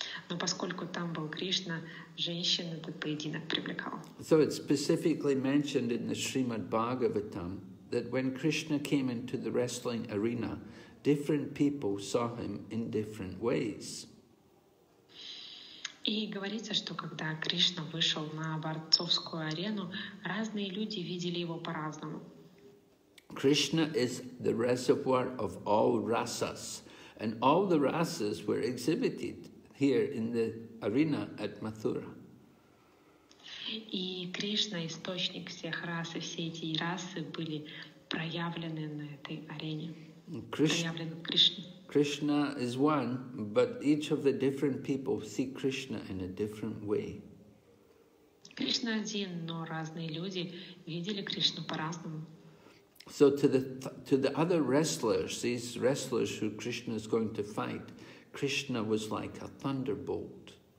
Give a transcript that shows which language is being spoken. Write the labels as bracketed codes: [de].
[ru] Но поскольку там был Кришна, женщин этот поединок привлекал. [en] So it's specifically mentioned in the Srimad Bhagavatam that when Krishna came into the wrestling arena, different people saw him in different ways. [ru] И говорится, что когда Кришна вышел на борцовскую арену, разные люди видели его по-разному. [en] Krishna is the reservoir of all rasas, and all the rasas were exhibited here in the arena at Mathura. [ru] И Кришна — источник всех рас, и все эти расы были проявлены на этой арене. Проявлены в Кришне. [en] Krishna is one, but each of the different people see Krishna in a different way. [ru] Кришна один, но разные люди видели Кришну по-разному. [en] So to the other wrestlers, these wrestlers who Krishna is going to fight, Krishna was like a thunderbolt.